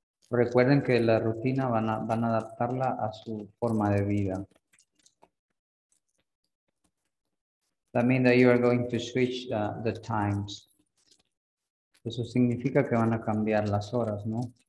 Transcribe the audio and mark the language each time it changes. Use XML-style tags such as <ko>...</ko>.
<es>Recuerden que la rutina van a adaptarla a su forma de vida.</es> <en>That means that you are going to switch the times.</en> <es>Eso significa que van a cambiar las horas, ¿no?</es>